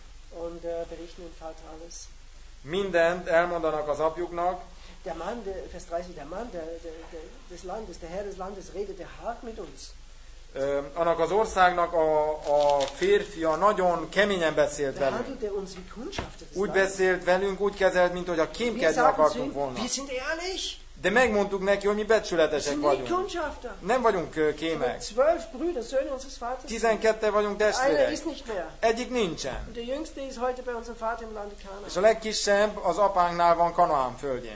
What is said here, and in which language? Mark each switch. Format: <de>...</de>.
<de>Und berichten dem Vater alles.</de> <hu>Mindent elmondanak az apjuknak.</hu> <de>Der Mann, Vers 30, der Mann des Landes, der Herr des Landes redete hart mit uns.</de> <hu>Annak az országnak a férfia nagyon keményen beszélt velünk.</hu> <de>Behandelte uns wie Kundschafter.</de> <hu>Úgy beszélt velünk, úgy kezelt, mint hogy a kémkedni akartunk volna.</hu> <de>Wir sind ehrlich.</de> <hu>De megmondtuk neki, hogy mi becsületesek vagyunk.</hu> <de>Kundschafter.</de> <hu>Nem vagyunk kémek.</hu> <de>12 Brüder, Söhne unseres Vaters.</de> <hu>12 vagyunk testvérek.</hu> <de>Einer ist nicht mehr.</de> <hu>Egyik nincsen.</hu> <de>Und der jüngste ist heute bei unserem Vater im Lande Kanaan.</de> <hu>És a legkisebb az apánknál van Kanaán földjén.</hu>